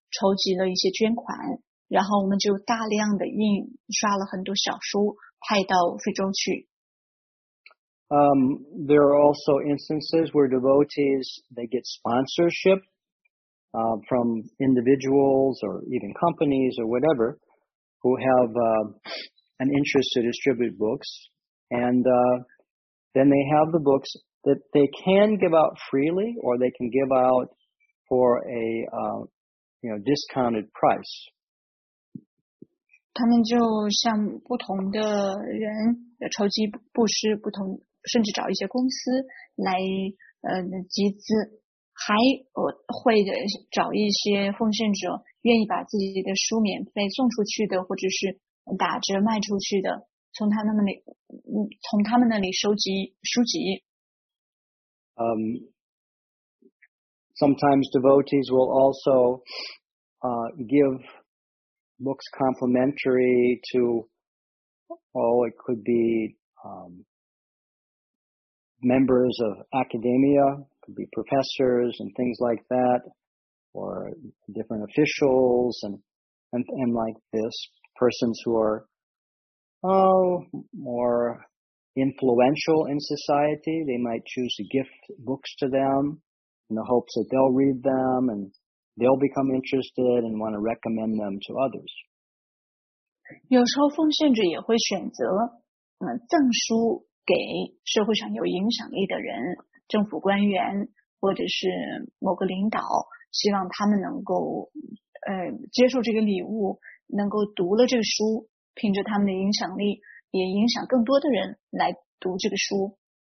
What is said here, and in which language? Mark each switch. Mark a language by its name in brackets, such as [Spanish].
[Chinese] 筹集了一些捐款，然后我们就大量的印刷了很多小书派到非洲去。 [English] There are also instances where devotees, they get sponsorship, from individuals or even companies or whatever, who have, an interest to distribute books. And, then they have the books that they can give out freely or they can give out for a, discounted price. [Chinese] 他们就向不同的人筹集布施，不同甚至找一些公司来集资，还会找一些奉献者愿意把自己的书免费送出去的，或者是打折卖出去的，从他们那里收集书籍。 [English] Sometimes devotees will also give books complimentary to, it could be members of academia, could be professors and things like that, or different officials and like this, persons who are more influential in society. They might choose to gift books to them in the hopes that they'll read them and they'll become interested and want to recommend them to others. [Chinese] 有时候奉献者也会选择赠书给社会上有影响力的人，政府官员或者是某个领导，希望他们能够接受这个礼物，能够读了这个书，凭着他们的影响力也影响更多的人来读这个书。